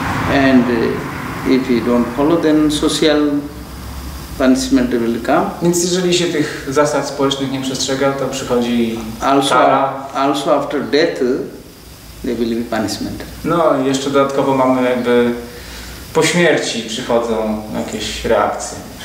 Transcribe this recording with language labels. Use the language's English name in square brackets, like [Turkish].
[English] And if you don't follow, then social punishment will come. [Polish] Więc jeżeli się tych zasad społecznych nie przestrzega, to przychodzi [English] also, [Polish] kara. [English] Also after death, there will be punishment. [Polish] No i jeszcze dodatkowo mamy jakby po śmierci przychodzą jakieś reakcje.